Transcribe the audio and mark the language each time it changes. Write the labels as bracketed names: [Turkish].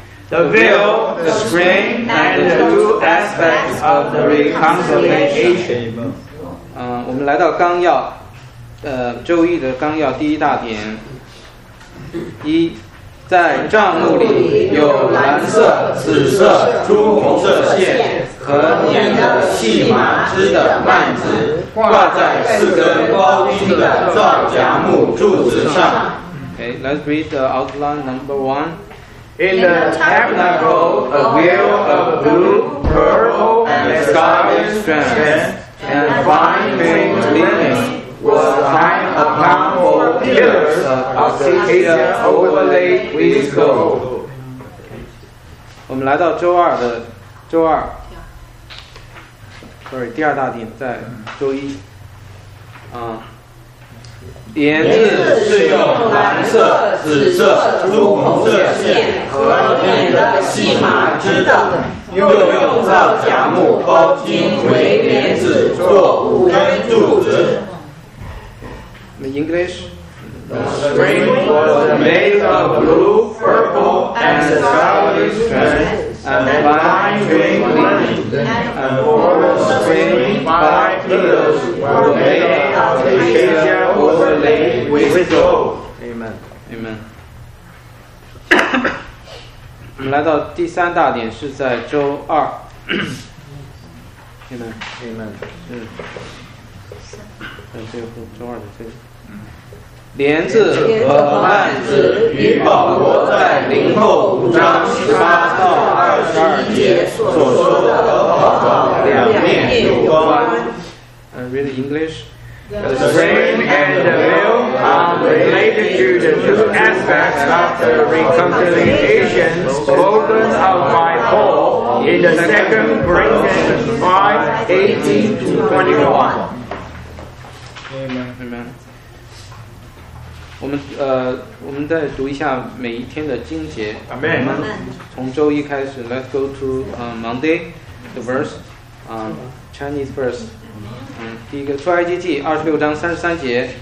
[English] The veil, the screen, and the two aspects of the reconciliation. [Chinese] 我们来到纲要，周一的纲要第一大点。一，在帐幕里有蓝色、紫色、朱红色线。和粘的细麻织的幔子挂在四根高低的皂荚木柱子上。 [English] Okay, let's read the outline number one. In the tabernacle, a veil of blue, purple, and scarlet strands and fine twined linen was hung upon four pillars of acacia overlaid with gold. [Chinese] 我们来到周二。 [English] Sorry, [Chinese] 第二大点在周一。帘子是用蓝色、紫色、朱红色线和粘的细麻织的，又用皂荚木包金为帘子做五根柱子。 [English] The English. The string was made of blue, purple, and scarlet strands. And fine twined linen, and four screened by pillars were made of acacia overlaid with gold. Amen. [Chinese] 我们来到第三大点是在周二。 Amen. 在最后周二的最后。帘子和幔子与保罗在灵后五章七八到二十二节所说的和好的两面有关。 [English] Read English. The screen and the veil are related to the two aspects of the reconciliation spoken of by Paul in the second Corinthians 5:18-21. Amen. [Chinese] 我们再读一下每一天的经节。 Amen. 我们从周一开始 [English] ，Let's go to Monday, the verse, Chinese verse. [Chinese] 第一个出埃及记26:33。